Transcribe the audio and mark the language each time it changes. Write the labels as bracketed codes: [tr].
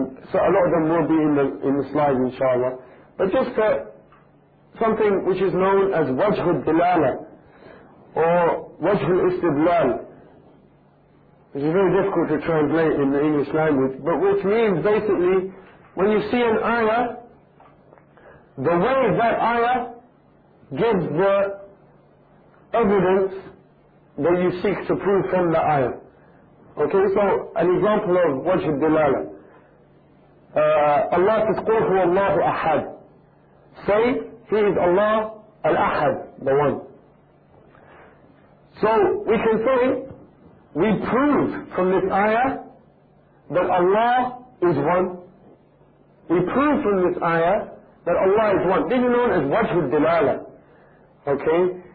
[en] So a lot of them will be in the slides, inshallah. But just something which is known as wajh al-dilala or wajh al-istidlal, which is very difficult to translate in the English language, but which means basically, when you see an ayah, the way that ayah gives the evidence that you seek to prove from the ayah. Okay, so an example of wajh al-dilala. Allah says, [ar] قُلْ هُوَ اللَّهُ أَحَدٌ. [en] Say, He is Allah al-Ahad, the One. So we can say, we prove from this ayah that Allah is One. We prove from this ayah that Allah is One. This is known as wajh al-dilala. Okay?